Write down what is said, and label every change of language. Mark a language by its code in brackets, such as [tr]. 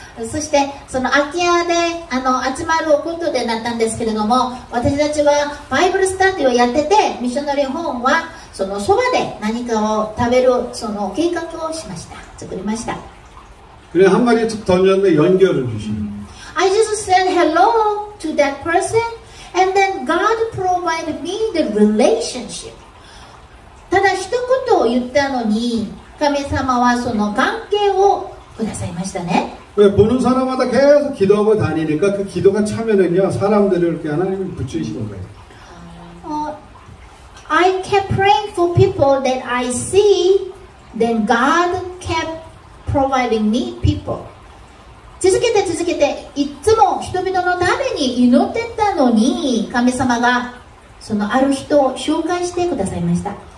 [ja] そして、その IKEA で集まることでなったんですけれども、私たちはバイブルスタディをやってて、missionary home はそのそばで何かを食べるその計画をしました。作りました。 [ko] これ、한마디툭던졌는데연결을주시는 [en] I just said hello. To that person, and then God provided me the relationship. [ja] ただ一言を言ったのに、神様はその関係をくださいましたね。 [ko] これ、보는사람마다계속기도하고다니니까그기도가차면은요사람들을이렇게하나님을붙이시는거예요 [en] I kept praying for people that I see, then God kept providing me people. [ja] 続けて続けて。いつも人々のために祈ってたのに神様がそのある人を紹介してくださいました